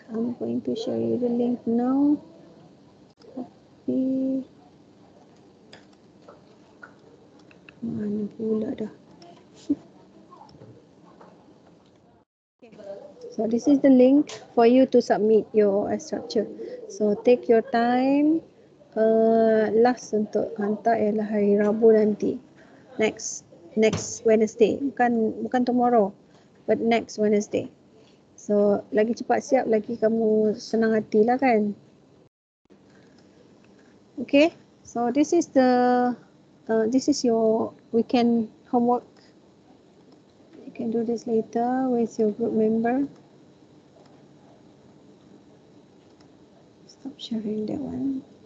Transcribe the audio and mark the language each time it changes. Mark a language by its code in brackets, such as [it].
[en] I'm going to show you the link now. Copy. [ms] Mana pula dah. [en] Okay. So this is the link for you to submit your structure. So take your time. [ms] Last untuk hantar ialah hari Rabu nanti. [en] Next Wednesday. [ms] Bukan [en] tomorrow. But next Wednesday. [ms] So, lagi cepat siap, lagi kamu senang hatilah kan. [en] Okay. So, this is the, this is your weekend homework. You can do this later with your group member. Stop sharing that one.